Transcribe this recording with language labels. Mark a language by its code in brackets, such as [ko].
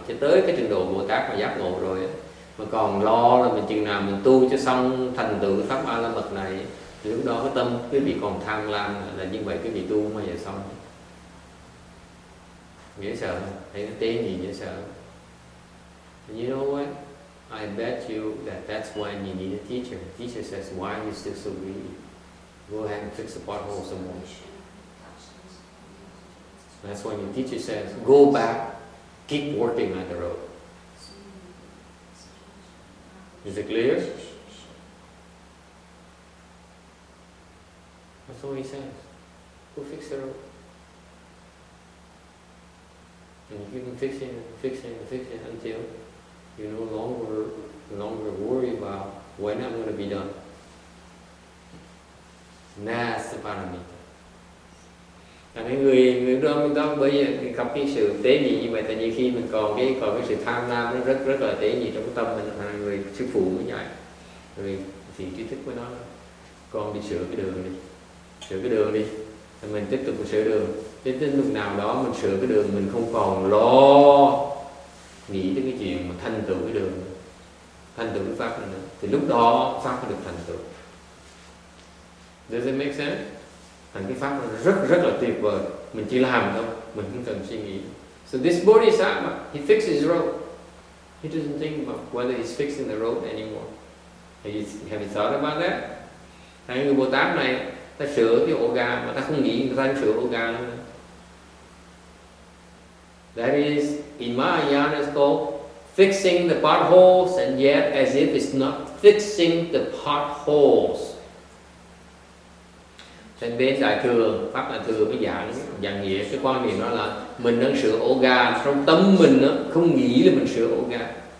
[vi] Cho tới cái trình độ Bồ Tát mà giác ngộ rồi, mà còn lo là mình chừng nào mình tu cho xong thành tựu pháp Ba La Mật này, lúc đó cái tâm quý vị còn tham lam là như vậy quý vị tu mà giờ xong dễ sợ hay nó tế gì dễ sợ. [en] And you know what, I bet you that that's why you need a teacher. The teacher says, why are you still so greedy? Go ahead and fix the pothole some more. That's why your teacher says, go back, keep working on the road. Is it clear? That's all he says. Go fix the road. And you can fix it and fix it and fix it until you no longer worry about when I'm going to be done. And that's the paramita. [vi] Thì người người đó mình đang bây giờ gặp cái sự tế nhị như vậy, tại nhiều khi mình còn cái sự tham lam nó rất rất là tế nhị trong tâm mình, là người sư phụ mới dạy, người thiền trí thức với nó, con đi sửa cái đường đi, sửa cái đường đi, thì mình tiếp tục sửa đường, đến đến lúc nào đó mình sửa cái đường, mình không còn lo nghĩ đến cái chuyện mà thành tựu cái đường, thành tựu pháp nữa, thì lúc đó pháp mới được thành tựu. [en] Does it make sense? [vi] Thành cái pháp rất rất là tuyệt vời, mình chỉ làm thôi, mình không cần suy nghĩ. [en] So this bodhisattva, he fixes his road. He doesn't think about whether he's fixing the road anymore. Have you thought about that? [vi] Thành người Bồ Tát này, ta sửa cái ổ gà mà ta không nghĩ người ta đang sửa ổ gà nữa. [en] That is, in Mahayana it's called fixing the potholes and yet as if it's not fixing the potholes. [vi] Trên bên đại thừa, pháp đại thừa mới giảng giảng nghĩa cái quan điểm đó là mình đang sửa ổ gà trong tâm mình đó, không nghĩ là mình sửa ổ gà.